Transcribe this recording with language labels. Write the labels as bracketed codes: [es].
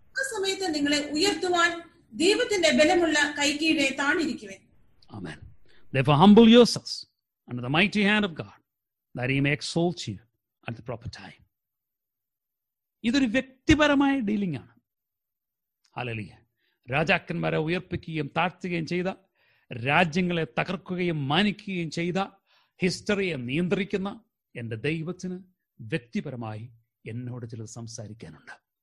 [ml] സമയത്ത് നിങ്ങളെ ഉയർത്തുവാൻ ദൈവത്തിന്റെ ബലമുള്ള കൈക്കീഴെ താണിരിക്കുവേ. ആമേൻ. [en] Therefore, humble yourselves under the mighty hand of God, that he may exalt you at the proper time. [ml] ഇതൊരു വ്യക്തിപരമായ ഡീലിംഗ് ആണ്. ഹല്ലേലൂയ. രാജാക്കന്മാരെ ഉയർപ്പിക്കുകയും താഴ്ത്തുകയും ചെയ്ത, രാജ്യങ്ങളെ തകർക്കുകയും മാനിക്കുകയും ചെയ്ത, ഹിസ്റ്ററിയെ നിയന്ത്രിക്കുന്ന എന്റെ ദൈവത്തിന് വ്യക്തിപരമായി എന്നോട് ചിലത് സംസാരിക്കാനുണ്ട്.